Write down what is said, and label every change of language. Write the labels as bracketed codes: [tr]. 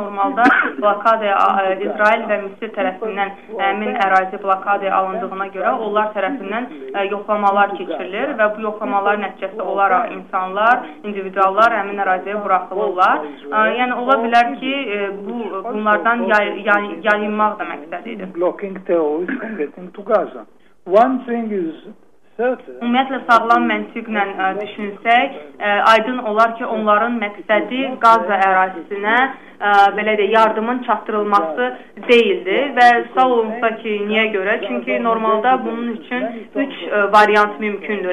[az] Normalda blokadaya İsrail və Misir tərəfindən həmin ərazi blokadaya alındığına görə onlar tərəfindən yoxlamalar keçirilir və bu yoxlamalar nəticəsi olaraq insanlar, individuallar həmin əraziyə buraxılırlar. Yəni ola bilər ki, bunlardan yayınmaq da məqsəd idi. [en] Blocking terrorists from getting to Gaza. One thing is [az] Ümumiyyətlə, sağlam məntiqlə düşünsək, aydın olar ki, onların məqsədi Qaza ərazisinə belə deyək, yardımın çatdırılması deyildi və sual olunsa ki, niyə görə? Çünki normalda bunun üçün 3 variant mümkündür.